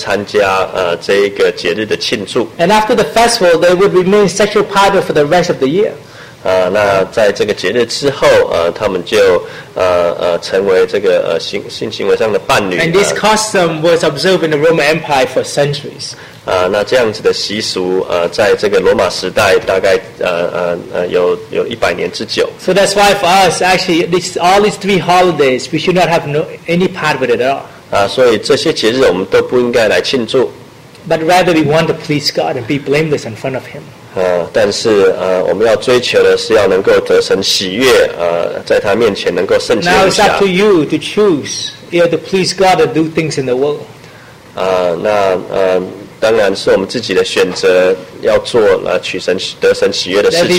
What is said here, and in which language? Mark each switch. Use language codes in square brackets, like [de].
[zh] 那这个被配对的年轻男女就会变成一对，那一起来参加这个节日的庆祝。 [en] And after the festival, they would remain sexual partners for the rest of the year. [zh] 那在这个节日之后，他们就成为这个性行为上的伴侣。 [en] And this custom was observed in the Roman Empire for centuries. [zh] 那这样子的习俗，在这个罗马时代大概有100年之久。 [en] So that's why for us, actually, all these three holidays, we should not have any part with it at all. [zh] 所以这些节日我们都不应该来庆祝。 [en] But rather we want to please God and be blameless in front of Him. [zh] 但是我们要追求的是要能够得神喜悦，在他面前能够圣洁无瑕。 [en] Now it's up to you to choose either to please God or do things in the world. [zh] 当然是我们自己的选择，要做取神得神喜悦的事情。